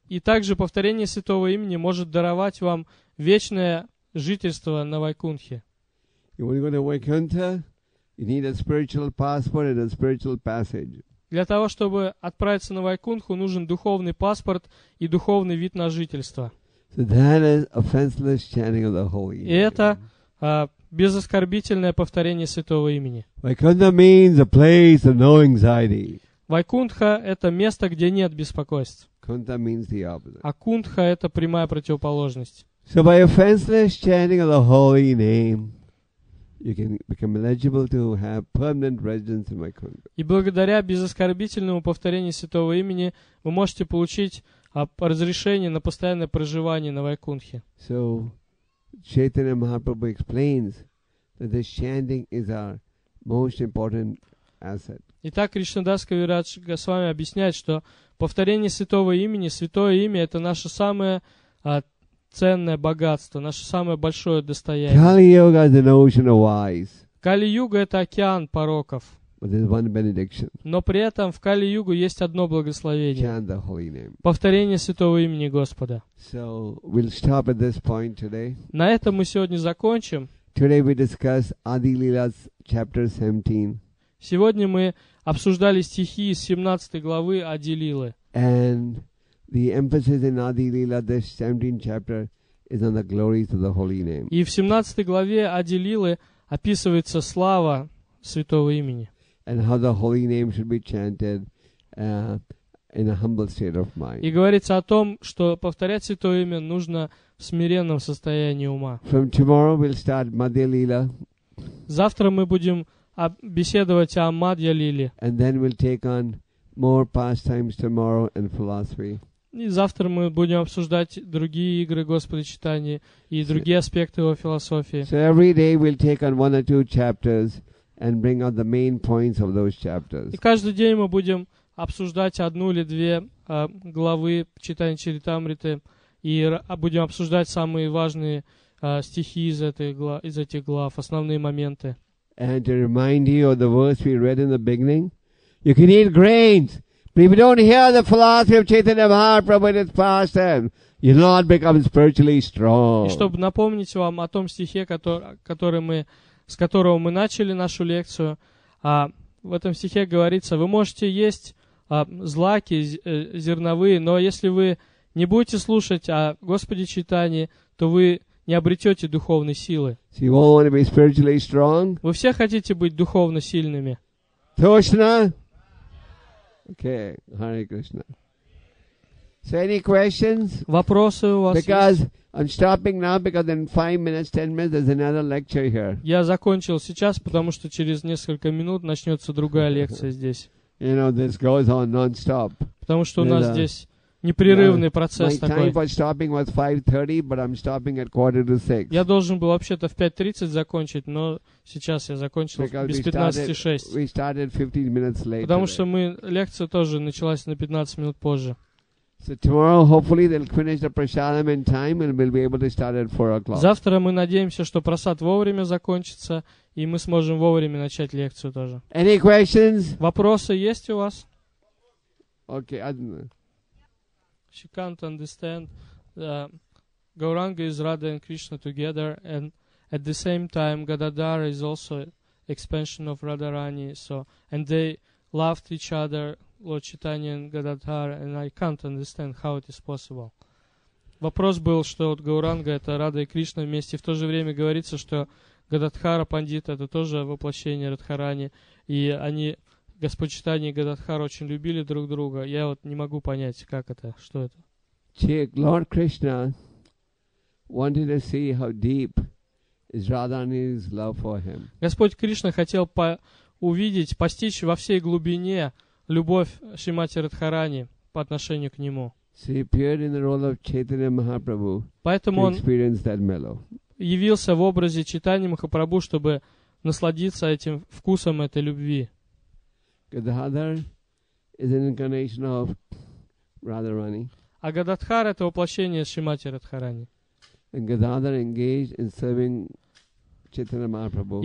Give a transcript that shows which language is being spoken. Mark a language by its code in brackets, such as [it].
[ru] И также повторение святого имени может даровать вам вечное жительство на Вайкунхе. [en] You want to go to Vaikuntha? You need a spiritual passport and a spiritual passage. [ru] Для того, чтобы отправиться на Вайкунху, нужен духовный паспорт и духовный вид на жительство. [en] So that is offenseless chanting of the holy name. [ru] И это безоскорбительное повторение святого имени. [en] Vaikuntha means a place of no anxiety. [ru] Вайкунтха — это место, где нет беспокойств. [en] Кунта means the opposite. [ru] А кунтха — это прямая противоположность. [en] So by offenseless chanting of the holy name, you can become eligible to have permanent residence in Vaikuntha. [ru] И благодаря безоскорбительному повторению святого имени вы можете получить разрешение на постоянное проживание на Вайкунтхе. [en] So Chaitanya Mahaprabhu explains that this chanting is our most important asset. [ru] Итак, Кришнадас Кавирадж Госвами объясняет, что повторение святого имени, святое имя — это наше самое ценное богатство, наше самое большое достояние. [en] Kali-yuga is an ocean of vice. [ru] Кали-юга — это океан пороков. [en] But there's one benediction. [ru] Но при этом в Кали-югу есть одно благословение. [en] Chant the holy name. [ru] Повторение святого имени Господа. [en] So we'll stop at this point today. [ru] На этом мы сегодня закончим. [en] Today we discuss Adi-lilas, chapter 17. [ru] Сегодня мы обсуждали стихи из 17 главы Адилилы. [en] And the emphasis in Adilila, this 17th chapter, is on the glories of the holy name. [ru] И в 17 главе Адилилы описывается слава святого имени. [en] And how the holy name should be chanted in a humble state of mind. [ru] И говорится о том, что повторять святое имя нужно в смиренном состоянии ума. [en] From tomorrow we'll start Madhyalila. [ru] Завтра мы будем беседовать о Мадья-лиле. [en] And then we'll take on more pastimes tomorrow and philosophy. [ru] И завтра мы будем обсуждать другие игры Господа Читания и другие аспекты его философии. [en] So every day we'll take on one or two chapters and bring out the main points of those chapters. [ru] И каждый день мы будем обсуждать одну или две главы Читания Чаритамриты и будем обсуждать самые важные стихи из этих глав, основные моменты. [en] And to remind you of the verse we read in the beginning, you can eat grains, but if you don't hear the philosophy of Chaitanya Mahaprabhu in its past time, you will not become spiritually strong. [ru] И чтобы напомнить вам о том стихе, с которого мы начали нашу лекцию, в этом стихе говорится, вы можете есть злаки, зерновые, но если вы не будете слушать о Господе Чайтане, то вы не обретете духовной силы. [en] So you all want to be spiritually strong? [ru] Вы все хотите быть духовно сильными? Точно? Окей, Харе Кришна. [en] So any questions? [ru] Вопросы у вас [en] because [ru] есть? [en] Because I'm stopping now because in 5 minutes, 10 minutes there's another lecture here. [ru] Я закончил сейчас, потому что через несколько минут начнется другая лекция здесь. [en] You know, this goes on non-stop. [ru] Потому что [en] there's [ru] у нас здесь непрерывный процесс [en] my [ru] такой. [en] My time for stopping was 5:30, but I'm stopping at 5:45. [ru] Я должен был вообще-то в 5:30 закончить, но сейчас я закончил [en] because [ru] без 15:06. [en] We started 15 minutes late. [ru] Потому что мы лекция тоже началась на 15 минут позже. [en] So tomorrow, hopefully, they'll finish the prasadam in time, and we'll be able to start at 4:00. [ru] Завтра мы надеемся, что просад вовремя закончится, и мы сможем вовремя начать лекцию тоже. [en] Any questions? [ru] Вопросы есть у вас? [en] Okay, I don't know. She can't understand Gauranga is Radha and Krishna together and at the same time Gadadhara is also expansion of Radharani so and they loved each other Lord Chaitanya and Gadadhara and I can't understand how it is possible. [ru] Вопрос был, что вот Гауранга это Рада и Кришна вместе, в то же время говорится, что Гададхара Пандит это тоже воплощение Радхарани и они Господь Читания и Гададхара очень любили друг друга. Я вот не могу понять, как это, что это. [en] Lord Krishna wanted to see how deep is Radharani's love for him. [ru] Господь Кришна хотел увидеть, постичь во всей глубине любовь Шримати Радхарани по отношению к нему. [en] So he appeared in the role of Chaitanya Mahaprabhu [ru] Поэтому [en] to experience that mellow. [ru] Явился в образе Чайтаньи Махапрабху, чтобы насладиться этим вкусом этой любви. [en] Gadadhar is an incarnation of Radharani. [ru] А Гададхар это воплощение Шримати Радхарани. [en] And Gadadhar engaged in serving Chaitanya Mahaprabhu.